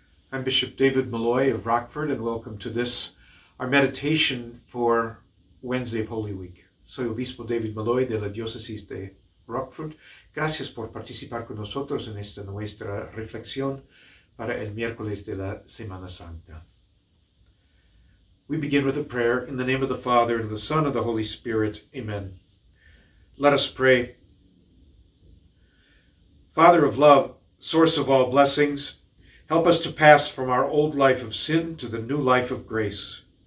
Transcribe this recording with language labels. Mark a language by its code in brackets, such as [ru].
[en] I'm Bishop David Malloy of Rockford, and welcome to this, our meditation for Wednesday of Holy Week. [es] Soy Obispo David Malloy de la Diócesis de Rockford. Gracias por participar con nosotros en esta nuestra reflexión para el miércoles de la Semana Santa. [en] We begin with a prayer in the name of the Father, and of the Son, and of the Holy Spirit. Amen. Let us pray. Father of love, source of all blessings, help us to pass from our old life of sin to the new life of grace.